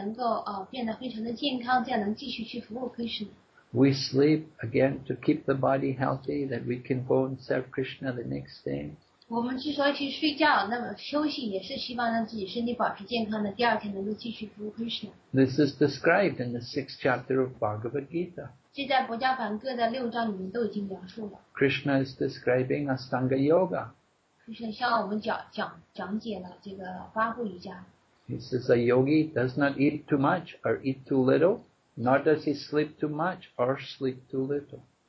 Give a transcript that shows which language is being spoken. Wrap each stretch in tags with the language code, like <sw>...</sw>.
<zh>我们吃饭呢，是让自己能够变得非常的健康，这样能继续去服务 Krishna.</zh> <en>We sleep again to keep the body healthy that we can go and serve Krishna the next day.</en> <zh>我们之所以去睡觉，那么休息也是希望让自己身体保持健康的，第二天能够继续服务 Krishna.</zh> <en>This is described in the 6th chapter of Bhagavad Gita.</en> <zh>这在《博迦梵歌》的六章里面都已经描述了。</zh> <en>Krishna is describing Ashtanga Yoga.</en> <zh>Krishna 向我们讲解了这个八步瑜伽。</zh> <en>He says a yogi does not eat too much or eat too little, nor does he sleep too much or sleep too little.</en>